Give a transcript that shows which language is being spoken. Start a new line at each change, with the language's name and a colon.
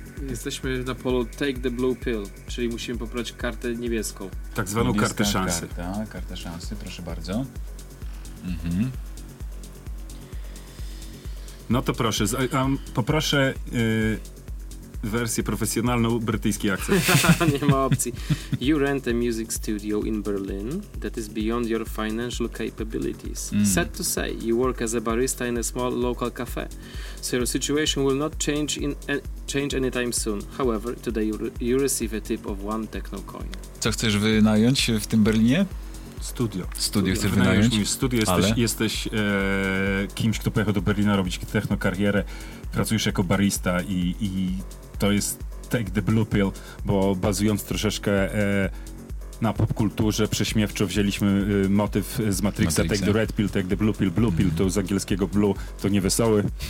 Polish: Jesteśmy na polu Take the Blue Pill, czyli musimy poprać kartę niebieską. Tak zwaną niebieską kartę szansy. Kartę szansy, proszę bardzo. Mhm. No to proszę, poproszę wersję profesjonalną, brytyjski akcent. Nie ma opcji.
English: You rent a music studio in Berlin that is beyond your financial capabilities. Sad to say, you work as a barista in a small local cafe, so your situation will not change in change anytime soon. However, today you receive a tip of one techno coin.
Polish: Co chcesz wynająć w tym Berlinie? Studio. Studio chcesz wynająć? Studio, jesteś kimś, kto pojechał do Berlina robić techno karierę, pracujesz jako barista i to jest
English: take the blue pill,
Polish: bo bazując troszeczkę na popkulturze, prześmiewczo wzięliśmy motyw z Matrixa,
English: take the red pill, take the blue pill,
Polish: blue pill, to z angielskiego blue, to niewesoły.